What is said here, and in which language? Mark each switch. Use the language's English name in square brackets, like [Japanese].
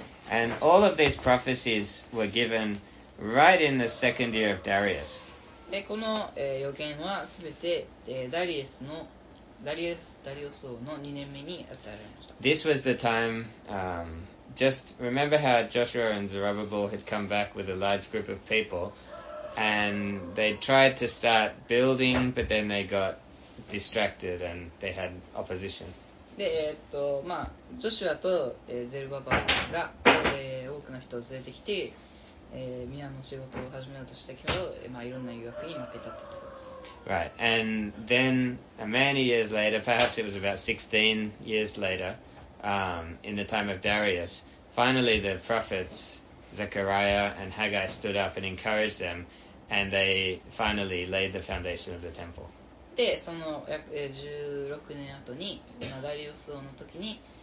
[English] And all of these prophecies were given right in the second year of Darius. [Japanese] で、この、予言はすべて、ダリウスのダリオス王の2年目に与えられました。 [English] This was the time, just remember how Joshua and Zerubbabel had come back with a large group of people, and they tried to start building, but then they got distracted and they had opposition. [Japanese] で、まあ、ジョシュアと、ゼルババが、多くの人を連れてきて、宮の仕事を始めようとしたけど、まあ、いろんな誘惑に負けたということです。 [English] Right, and then many years later, perhaps it was about 16 years later, in the time of Darius, finally the prophets Zechariah and Haggai stood up and encouraged them, and they finally laid the foundation of the temple. [Japanese] で、その約16年後に、ダリオス王の時に、